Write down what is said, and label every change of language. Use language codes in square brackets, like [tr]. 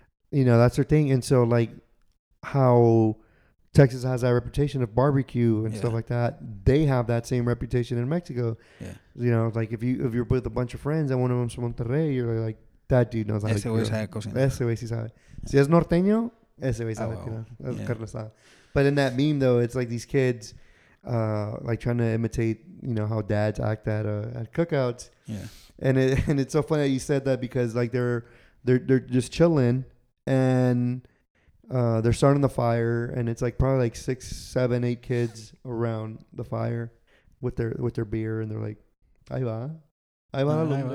[en] You know, that's their thing. And so, like, how Texas has that reputation of barbecue and stuff like that, they have that same reputation in Mexico. Yeah. You know, like, if you're with a bunch of friends and one of them's from Monterrey, you're like, that dude knows how to cook. [es] Ese güey sí sabe. Si es norteño, ese güey sabe. [en] But in that meme, though, it's like these kids, like, trying to imitate, you know, how dads act at cookouts. Yeah. And it's so funny that you said that, because, like, they're just chilling. And they're starting the fire, and it's like probably like 6, 7, 8 kids around the fire with their beer, and they're like, [es] "Ahí va, ahí va, ahí va."